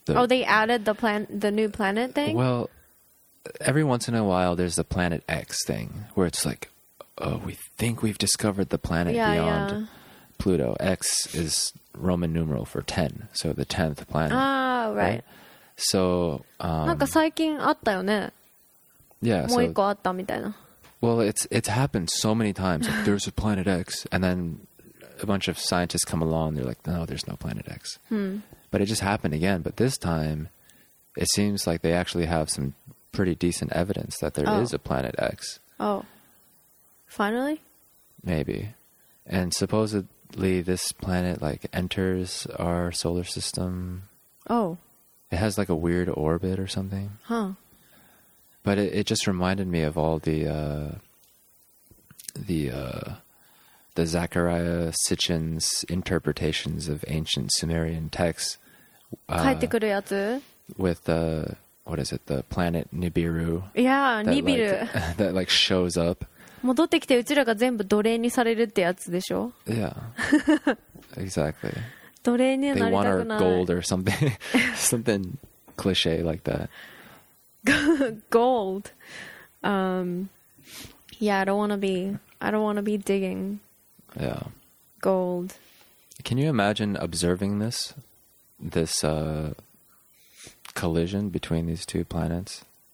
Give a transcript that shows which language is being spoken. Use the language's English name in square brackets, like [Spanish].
[English] Oh, they added the new planet thing? Well, every once in a while there's the Planet X thing where it's like, oh, we think we've discovered the planet beyond Pluto. X is Roman numeral for 10, so the 10th planet. Ah, right. So, [Japanese] なんか最近あったよね。 [English] Yeah, [Japanese] もう一個あったみたいな。 [English] Well, it's happened so many times. Like, there's a planet X, and then a bunch of scientists come along, and they're like, no, there's no planet X. But it just happened again. But this time, it seems like they actually have some pretty decent evidence that there is a planet X. Oh, finally? Maybe. And supposedly, this planet, like, enters our solar system. Oh. It has, like, a weird orbit or something. Huh. But it just reminded me of all the Zachariah Sitchin's interpretations of ancient Sumerian texts. [Japanese] 帰ってくるやつ? [English] With the, what is it, the planet Nibiru. Yeah, Nibiru. That like shows up. [Japanese] 戻ってきてうちらが全部奴隷にされるってやつでしょ? [English] Yeah, exactly. [Japanese] 奴隷になりたくない。 [English] They want our gold or something, something cliche like that. Gold. Yeah, I don't want to be digging. Yeah. Gold. Can you imagine observing this? This collision between these two planets?